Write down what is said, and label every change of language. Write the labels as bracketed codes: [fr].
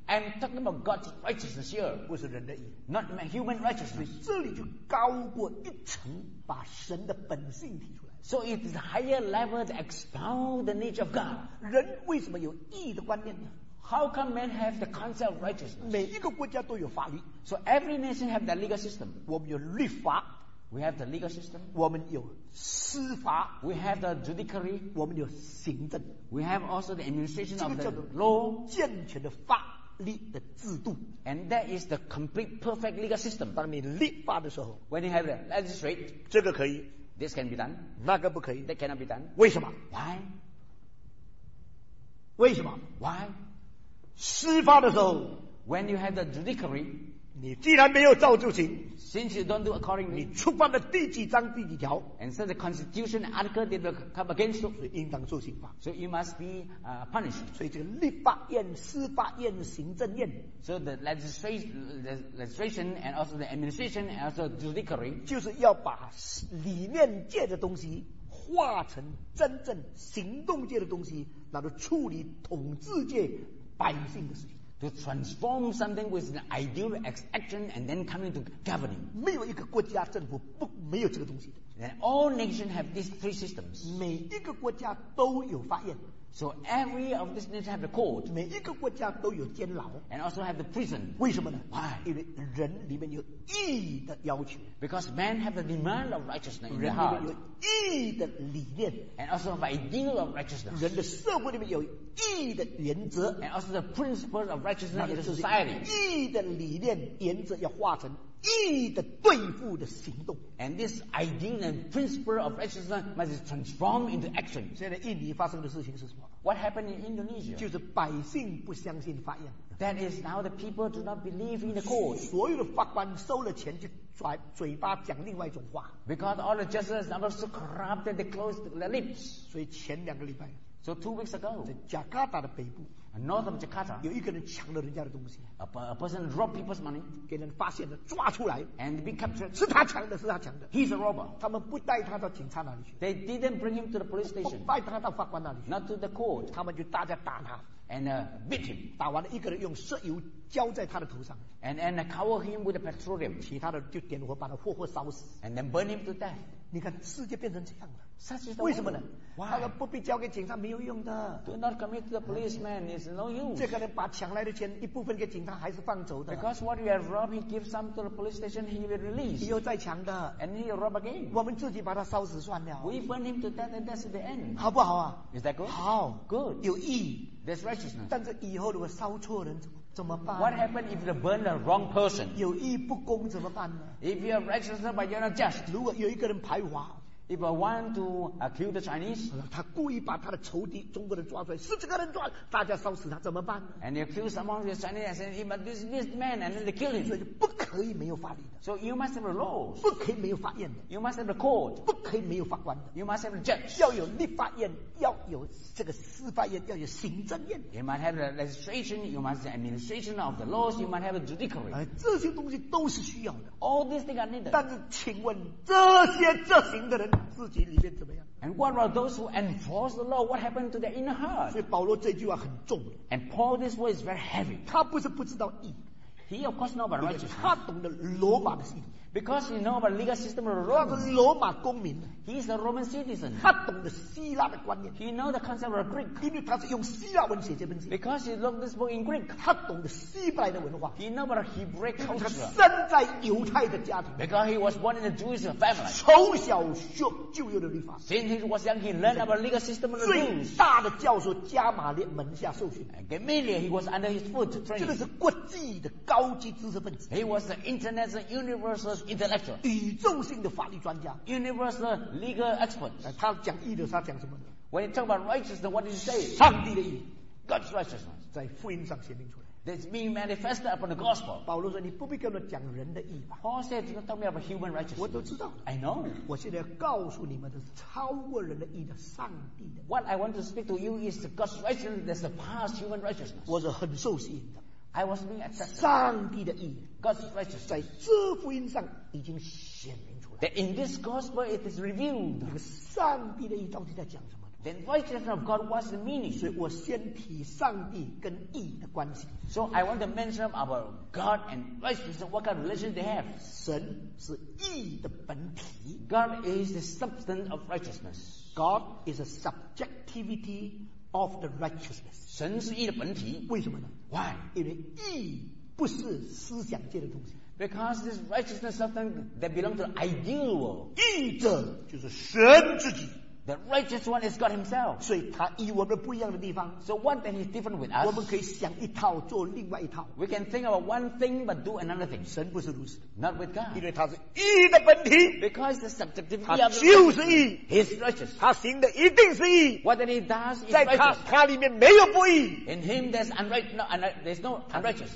[en] I'm talking about God's righteousness here, [zh] 不是人的义, [en] not human righteousness. [zh] 这里就高过一层把神的本性提出来, [en] so it is a higher level to expound the nature of God. [zh] 人为什么有义的观念呢? [en] How come men have the concept of righteousness? [zh] 每一个国家都有法律, [en] so every nation have that legal system. [zh] 我们有律法, [en] we have the legal system. [zh] 我们有司法, [en] we have the judiciary. [zh] 我们有行政, [en] we have also the administration of the law. [zh] 健全的法, [en] and that is the complete perfect legal system. [zh] 当你立法的时候, [en] when you have the legislate, [zh] 这个可以, [en] this can be done, [zh] 那个不可以, [en] that cannot be done. [zh] 为什么? [en] Why? [zh] 为什么? [en] Why? [zh] 司法的时候, [en] when you have the judiciary, [zh] 你既然没有照旧行, [en] since you don't do accordingly, [zh] 你触犯了第几章第几条, [en] and so the constitution article did come against you, [zh] 所以应当受刑罚, [en] so you must be punished. [zh] 所以这个立法院, 司法院, [en] so the legislation and also the administration and also the judiciary, [zh] 就是要把里面界的东西 化成真正行动界的东西, 然后处理统治界百姓的事情, [en] to transform something with an ideal action and then coming to governing. [zh] 没有一个国家政府不, 没有这个东西的, [en] and all nations have these three systems. [zh] 每一个国家都有法院, [en] So every of these nations have the court. [zh] 每一个国家都有监牢。 [en] And also have the prison. [zh] 为什么呢 [en] ？Why？ [zh] 因为人里面有义的要求。 [en] Because man have the demand of righteousness in the heart. [zh] 人里面有义的理念。 [en] And also have ideal of righteousness. [zh] 人的社会里面有义的原则。 [en] And also the principles of righteousness in the society. [zh] 义的理念原则要化成义的对付的行动。 [en] And this ideal and principle of righteousness must be transformed into action. [zh] 现在印尼发生的事情是什么？ [en] What happened in Indonesia? [zh] 就是百姓不相信法院。 [en] That is now the people do not believe in the court. [zh] 所有的法官收了钱就嘴嘴巴讲另外一种话。 [en] Because all the justices are so corrupt that they close their lips. [zh] 所以前两个礼拜。 [en] So 2 weeks ago, [zh] 在 Jakarta 的北部 [en] ，North of Jakarta， [zh] 有一个人抢了人家的东西。 [en] A person robbed people's money， [zh] 给人发现了，抓出来 [en] ，and be captured， [zh] 是他抢的，是他抢的。 [en] He's a robber。 [zh] 他们不带他到警察那里去。 [en] They didn't bring him to the police station。 [zh] 不带他到法官那里去。 [en] Not to the court。 [zh] 他们就大家打他 [en] ，and beat him。 [zh] 打完了，一个人用石油浇在他的头上 [en] ，and cover him with petroleum。 [zh] 其他的就点火把他活活烧死 [en] ，and then burn him to death。 [zh] 你看世界变成这样了 [en] Such is the [zh] 为什么呢、 [en] Why? [zh] 他说不必交给警察没有用的 [en] Do not commit to the policeman It's no use [zh] 这个人把抢来的钱一部分给警察还是放走的 [en] Because what you have robbed He gives some to the police station He will release [zh] 又再抢的 [en] And he will rob again [zh] 我们自己把他烧死算了 [en] We burn him to death And that's the end [zh] 好不好啊 [en] Is that good? [zh] 好 [en] Good [zh] 有意 [en] That's righteousness [zh] 但是以后如果烧错人怎么办 [en] What happens if you burn the wrong person? [zh] 有意不公怎么办呢 [en] If you are righteous but you are not just [zh] 如果有一个人排华 [en] If I want to kill the Chinese [zh] 他故意把他的仇敌中国人抓出来是这个人抓大家烧死他怎么办 [en] And you kill someone who is Chinese and say but this man and then they kill him [zh] 所以不可以没有法律的 [en] So you must have a law [zh] 不可以没有法院的 [en] You must have a court [zh] 不可以没有法官的 [en] You must have a judge [zh] 要有立法院要有这个司法院要有行政院 [en] You must have a legislation You must have an administration of the laws You must have a judiciary [zh] 这些东西都是需要的 [en] All these things are needed [zh] 但是请问这些执行的人自己里面怎么样 [en] And what about those who enforce the law What happened to their inner heart [zh] 所以保罗这句话很重 [en] And Paul this word is very heavy [zh] 他不是不知道义 [en] He of course knows about righteousness. [zh] 他懂得罗马的系统 [en] Because he knows about legal system of Rome. [zh] 他是罗马公民 [en] He is a Roman citizen. [zh] 他懂得希腊的观念 [en] He knows the concept of Greek. [zh] 因为他是用希腊文写这本书 [en] Because he wrote this book in Greek. [zh] 他懂得希伯来的文化 [en] He knows about Hebraic culture. [zh] 他生在犹太的家庭 [en] Because he was born in a Jewish family. [zh] 从小学旧约的律法 [en] Since he was young, he learned about legal system of Rome. [zh] 最大的教授加玛列门下受训 [en] Gamaliel, he was under his foot training. [zh] 这个是国际的高高级知识分子 [en] He was an international universal intellectual [zh] 宇宙性的法律专家 [en] Universal legal expert [zh] 他讲义的他讲什么 [en] When you talk about righteousness What did you say? [zh] 上帝的义 [en] God's righteousness [zh] 在福音上显明出来 [en] That's being manifested upon the gospel [zh] 保罗说你不必跟我讲人的义吧 [en] Paul said you don't talk about human righteousness [zh] 我都知道 [en] I know [zh] 我现在要告诉你们的是超过人的义的上帝的 [en] What I want to speak to you is God's righteousness that surpassed human righteousness [zh] 我是很受吸引的 [en] I was being accepted. [zh] 上帝的义 [en] God's righteousness [zh] 在这福音上已经显明出来 [en] That in this gospel it is revealed. [zh] 那个上帝的义到底在讲什么 [en] Then righteousness of God was the meaning. [zh] 所以我先提上帝跟义的关系 [en] So I want to mention about God and righteousness what kind of relation they have. [zh] 神是义的本体 [en] God is the substance of righteousness. God is a subjectivity of the righteousness. [zh] 神是义的本体为什么呢 [en] Why? [zh] 因为义不是思想界的东西。 [en] Because this righteousness is something that belongs to the ideal world. [zh] 义者就是神自己。 [en] The righteous one is God himself. [zh] 所以他与我们不一样的地方。 [en] So one thing is different with us. [zh] 我们可以想一套做另外一套。 [en] We can think about one thing but do another thing. [zh] 神不是如此。 [en] Not with God. [zh] 因为他是义的本体。 [en] Because the subjectivity of [zh] God. 他就是义。 [en] He's righteous. [zh] 他行的一定是义。 [en] What that he does is [zh] 在他 [en] righteous. [zh] 他里面没有不义。 [en] In him there's, there's no unrighteous.